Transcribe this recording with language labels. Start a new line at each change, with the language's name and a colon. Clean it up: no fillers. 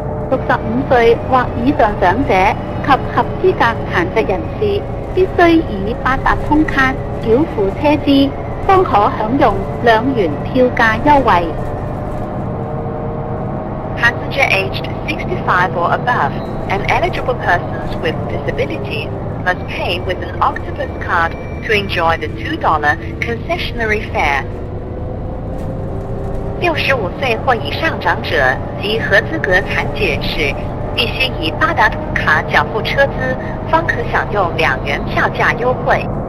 Chinese: 65岁或以上长者及合资格残疾人士必须以八达通卡缴付车资，方可享用2元票价优惠。
English: Passenger aged 65 or above and eligible persons with disabilities must pay with an Octopus card to enjoy the $2 concessionary fare.
Chinese: 65岁或以上长者及合资格残疾人士必须以八达通卡缴付车资，方可享用2元票价优惠。